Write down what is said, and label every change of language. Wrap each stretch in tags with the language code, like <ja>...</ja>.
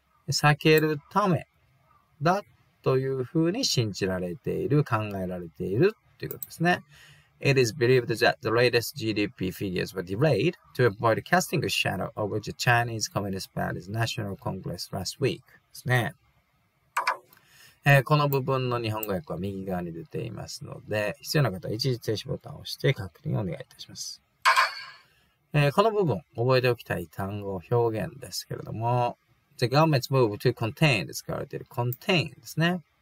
<ja>避けるためだというふうに信じられている、考えられているということですね。</ja> <en>It is believed that the latest GDP figures were delayed to avoid casting a shadow over the Chinese Communist Party's National Congress last week.</en> <ja>ですね。この部分の日本語訳は右側に出ていますので、必要な方は一時停止ボタンを押して確認をお願いいたします。この部分、覚えておきたい単語表現ですけれども、</ja> <en>The government's move to contain</en> <ja>で使われている contain ですね。</ja>